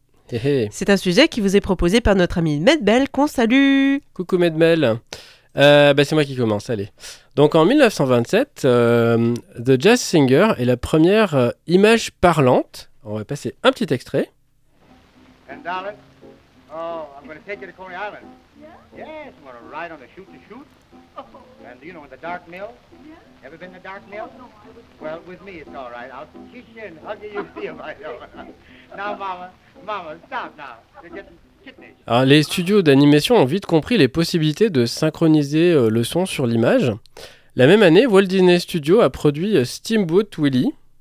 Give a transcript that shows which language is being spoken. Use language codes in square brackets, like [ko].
[fr] Hey. C'est un sujet qui vous est proposé par notre ami Medbel, qu'on salue. Coucou Medbel. C'est moi qui commence, allez. Donc en 1927, The Jazz Singer est la première image parlante. On va passer un petit extrait. [en] $10. Oh, I'm going to take you to Coney Island. Yeah? Yes, I'm going to ride on the chute to chute. Oh. And you know, in the dark mill? Yeah. Ever been in the dark mill? Oh, no, well, with me, it's all right. I'll kiss you and hug you and feel myself. Now, Mama, stop now. You're getting... [fr] Alors, les studios d'animation ont vite compris les possibilités de synchroniser le son sur l'image. La même année, Walt Disney Studios a produit Steamboat Willie.